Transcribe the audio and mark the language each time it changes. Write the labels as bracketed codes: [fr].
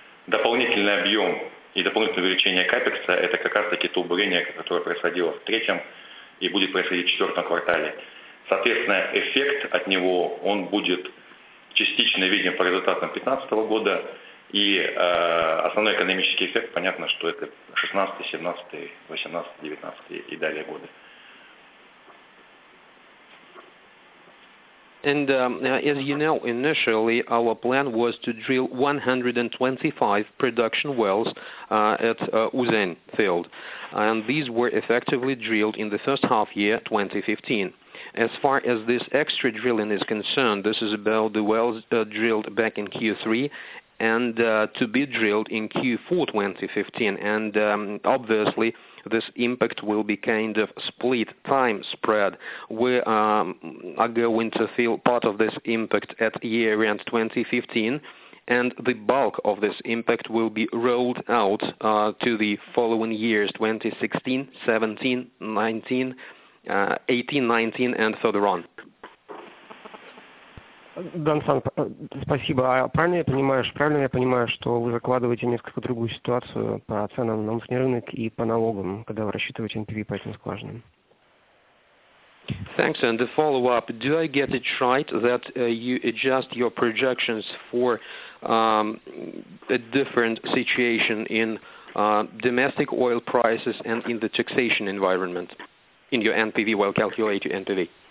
[ru] Дополнительный объем и дополнительное увеличение капекса – это как раз-таки то бурение, которое происходило в третьем и будет происходить в четвертом квартале. Соответственно, эффект от него, он будет частично виден по результатам 2015 года. И основной экономический эффект, понятно, что это 16, 17, 18, 19 и далее годы. [en] And as you know, initially our plan was to drill 125 production wells at Uzen field. And these were effectively drilled in the first half year 2015. As far as this extra drilling is concerned, this is about the wells drilled back in Q3 and to be drilled in Q4 2015. And obviously, this impact will be kind of split time spread. We are going to feel part of this impact at year end 2015, and the bulk of this impact will be rolled out to the following years, 2016, 17, 19, 18, 19, and further on. [ru] Дансан, спасибо. А правильно я понимаю, что вы закладываете несколько другую ситуацию по ценам на внутренний рынок и по налогам, когда вы рассчитываете NPV по этим скважинам? [en] Thanks. And the follow-up, do I get it right that you adjust your projections for a different situation in domestic oil prices and in the taxation environment in your NPV while calculating your NPV?